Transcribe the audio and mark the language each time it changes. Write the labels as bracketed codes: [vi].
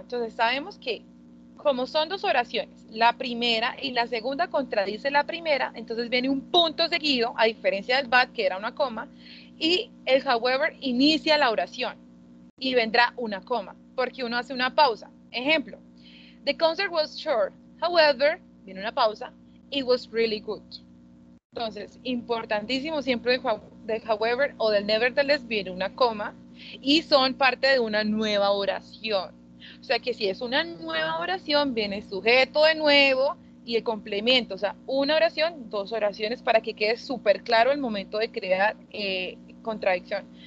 [es] Entonces, sabemos que como son dos oraciones, la primera y la segunda contradice la primera, entonces viene un punto seguido, a diferencia del but, que era una coma, y el however inicia la oración y vendrá una coma, porque uno hace una pausa. [en] Ejemplo, the concert was short, however, [es] viene una pausa, [en] it was really good. [es] Entonces, importantísimo siempre del however o del nevertheless, viene una coma y son parte de una nueva oración. O sea que si es una nueva oración, viene sujeto de nuevo y el complemento. O sea, una oración, dos oraciones, para que quede súper claro el momento de crear contradicción.